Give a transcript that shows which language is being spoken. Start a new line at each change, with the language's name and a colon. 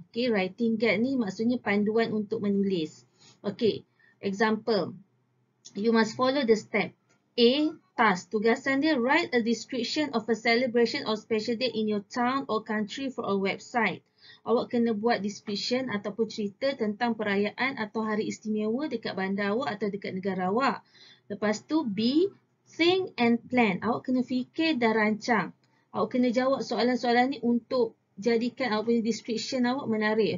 Malay: Okay, writing guide ni maksudnya panduan untuk menulis.
English: Okay, example. You must follow the step. A, task.
Malay: Tugasan dia,
English: write a description of a celebration or special day in your town or country for a website.
Malay: Awak kena buat description ataupun cerita tentang perayaan atau hari istimewa dekat bandar awak atau dekat negara awak. Lepas tu, B,
English: think and plan.
Malay: Awak kena fikir dan rancang. Awak kena jawab soalan-soalan ni untuk jadikan awak punya description awak menarik.